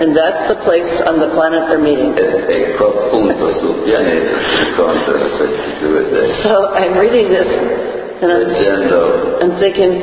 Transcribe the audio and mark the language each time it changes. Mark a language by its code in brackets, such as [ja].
[en] And that's the place on the planet they're meeting. [it] E quel punto sul pianeta si incontrano questi due dei. [en] So I'm reading this and I'm thinking.